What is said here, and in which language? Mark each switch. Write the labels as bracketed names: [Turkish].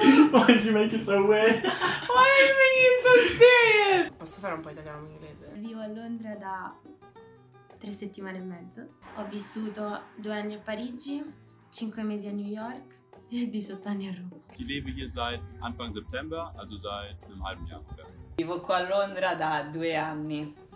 [English] Why did you make it so weird? Why are you making it so serious? [Italian] Posso fare un po' italiano in inglese? Vivo a Londra da 3 settimane e mezzo. Ho vissuto 2 anni a Parigi, 5 mesi a New York e 18 anni a Roma. [German] Ich lebe hier seit Anfang September, also seit einem halben Jahr ungefähr. [Italian] Vivo qua a Londra da 2 anni.